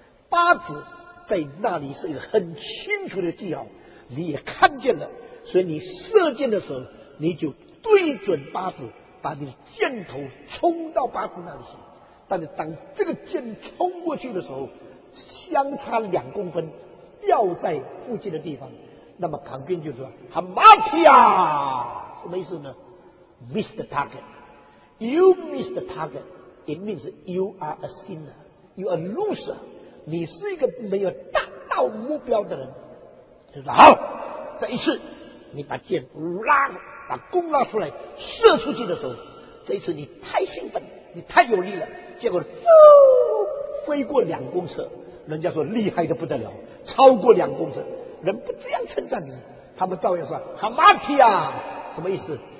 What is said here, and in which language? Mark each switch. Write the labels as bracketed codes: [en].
[zh] 靶子在那里是一个很清楚的记号，你也看见了，所以你射箭的时候你就对准靶子，把你的箭头冲到靶子那里去。但是当这个箭冲过去的时候，相差2公分掉在附近的地方，那么旁边就说 Hamartia。什么意思呢？ [en] Miss the target。 You miss the target It means you are a sinner, you are a loser。 [zh] 你是一个没有达到目标的人。就说好，这一次你把箭拉了，把弓拉出来射出去的时候，这一次你太兴奋，你太有力了，结果飞过2公尺，人家说厉害的不得了，超过2公尺，人不这样称赞你，他们照样说 Hamartia。什么意思？